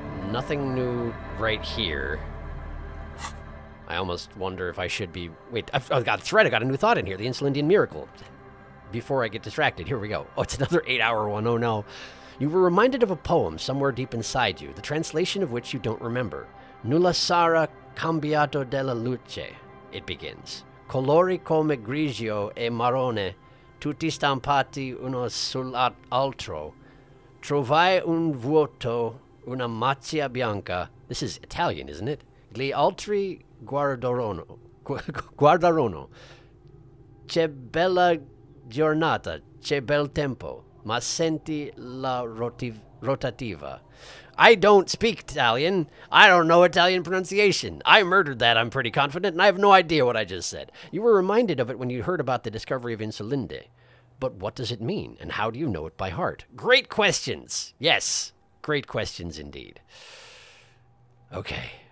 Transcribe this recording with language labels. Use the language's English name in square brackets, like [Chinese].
[English] Nothing new right here. I almost wonder if I should be... Wait, I got a new thought in here. The Insulindian Miracle. Before I get distracted, here we go. Oh, it's another 8-hour one. Oh, no. You were reminded of a poem somewhere deep inside you, the translation of which you don't remember. [Italian] Nulla sarà cambiato della luce, [English] it begins. [Italian] Colori come grigio e marrone, tutti stampati uno sull'altro. Trovai un vuoto, una macchia bianca. [English] This is Italian, isn't it? [Italian] Gli altri guardarono. C'è bella giornata, c'è bel tempo, ma senti la rotativa. [English] I don't speak Italian. I don't know Italian pronunciation. I murdered that, I'm pretty confident, and I have no idea what I just said. You were reminded of it when you heard about the discovery of Insulinde. But what does it mean, and how do you know it by heart? Great questions. Yes, great questions indeed. Okay.